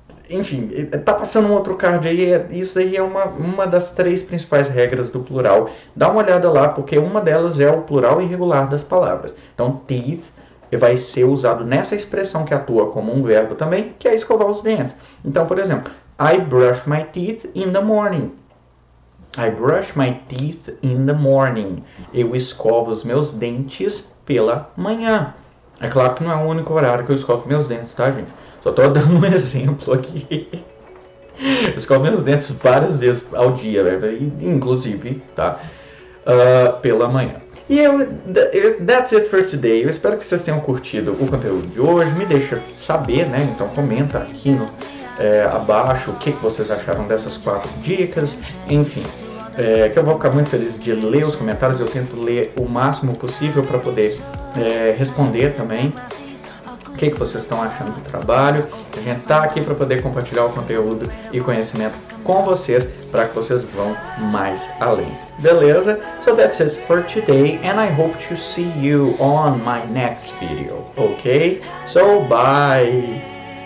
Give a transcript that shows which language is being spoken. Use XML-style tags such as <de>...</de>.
<pt>Enfim, tá passando um outro card aí. Isso aí é uma das três principais regras do plural. Dá uma olhada lá, porque uma delas é o plural irregular das palavras. Então, teeth vai ser usado nessa expressão que atua como um verbo também, que é escovar os dentes. Então, por exemplo,</pt> <en>I brush my teeth in the morning. I brush my teeth in the morning.</en> <pt>Eu escovo os meus dentes pela manhã. É claro que não é o único horário que eu escovo meus dentes, tá, gente? Só tô dando um exemplo aqui. Escovo meus dentes várias vezes ao dia, né? Inclusive, tá? Pela manhã.</pt> <en>That's it for today.</en> <pt>Eu espero que vocês tenham curtido o conteúdo de hoje. Me deixa saber, né? Então comenta aqui abaixo o que que vocês acharam dessas quatro dicas. Enfim, que eu vou ficar muito feliz de ler os comentários. Eu tento ler o máximo possível para poder responder também o que vocês estão achando do trabalho. A gente está aqui para poder compartilhar o conteúdo e conhecimento com vocês, para que vocês vão mais além. Beleza?</pt> <en>So that's it for today, and I hope to see you on my next video. Okay? So bye!</en>